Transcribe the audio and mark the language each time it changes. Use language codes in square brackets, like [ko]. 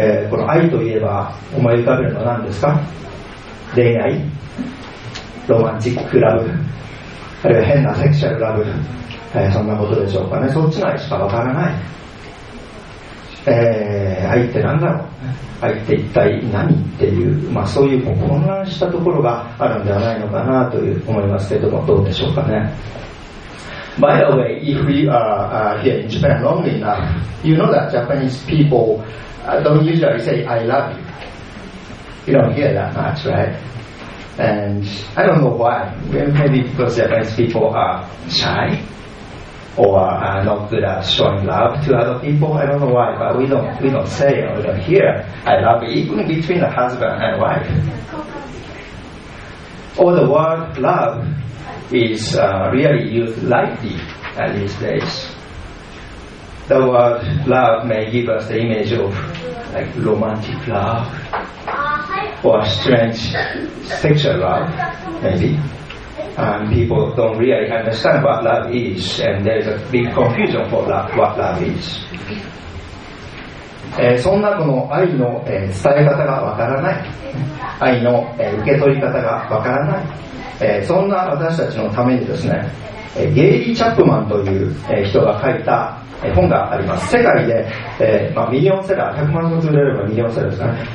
[ja] この愛といえば思い浮かべるのは何ですか？恋愛、ロマンチックラブ、あるいは変なセクシャルラブ、そんなことでしょうかね。そっちの愛しかわからない。愛って何だろう、愛って一体何っていう、まあ、そういう混乱したところがあるんではないのかなという思いますけれども、どうでしょうかね。 [en] By the way, if you are here in Japan long enough, you know that Japanese people don't usually say, I love you. You don't hear that much, right? And I don't know why. Maybe because Japanese people are shy or are not good at showing love to other people. I don't know why, but we don't say or we don't hear, I love you, even between a husband and wife. Or the word love is really used lightly these days. The word love may give us the image of like romantic love or strange sexual love, maybe. And people don't really understand what love is, and there's a big confusion for what love is. [ja] そんなこの愛の伝え方がわからない、愛の受け取り方がわからない、そんな私たちのためにですね、ゲイリー・チャップマンという人が書いた本があります。世界で、まあ、ミリオンセラー、100万冊売れればミリオンセラーですかね。